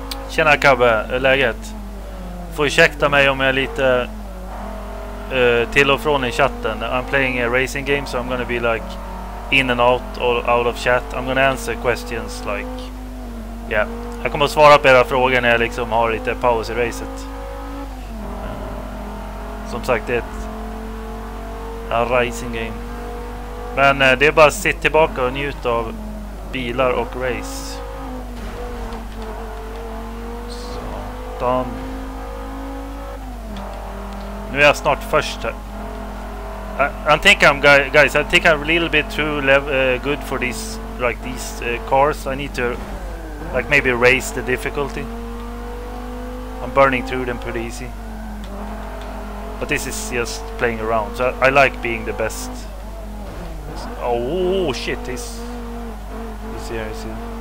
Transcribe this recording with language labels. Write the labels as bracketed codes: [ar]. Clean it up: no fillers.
[sv] Tjena Kabbe, hur är läget? Får ursäkta mig om jag är lite till och från i chatten. [en] I'm playing a racing game, so I'm gonna be like in and out or out of chat. I'm gonna answer questions like, yeah. [sv] Jag kommer att svara på era frågor när jag liksom har lite paus i racet. Som sagt, det är ett racing game. Men det är bara att sitta tillbaka och njuta av bilar och race. Satan. Nu är jag snart först här. [en] I think I'm a little bit too good for these, like these cars. I need to like maybe raise the difficulty. I'm burning through them pretty easy. But this is just playing around. So I like being the best. [sv] Oh shit, [en] he's here, he's here.